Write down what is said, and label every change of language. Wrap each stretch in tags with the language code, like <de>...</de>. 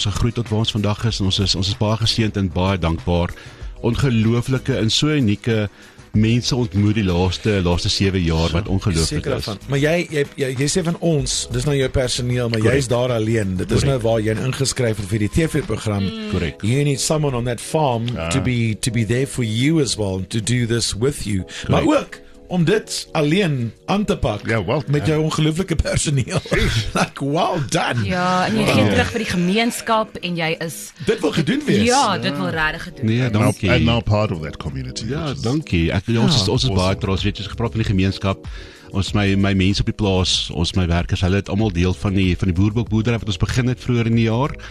<af>Ons het gegroei tot waar ons vandag is en ons is baie geseend en baie dankbaar. Ongelooflike en so unieke mense ontmoet die laaste 7 jaar wat ongelooflik is. Van. Maar jy sê van ons, dis nou jou personeel, maar jy's daar alleen. Dit is nou waar jy ingeskryf het vir die TV-program.</af> <en>Correct. You need someone on that farm to be there for you as well, to do this with you. Correct.</en> <af>Maar ook om dit alleen aan te pak. Ja, wel, met jou ongelooflike personeel.</af> <en>Like, well done.</en> <af>Ja, en jy gee terug vir die gemeenskap en jy is... Dit wil gedoen wees. Ja, dit wil regtig gedoen wees. Nee, dankie.</af> <en>I'm now part of that community.</en> <af>Ja, dankie. Ons is baie trots. Weet jy, ons gepraat van die gemeenskap. Ons my mense op die plaas, ons my werkers, hulle het almal deel van die boerbokboerdery wat ons begin het vroeër in die jaar.</af>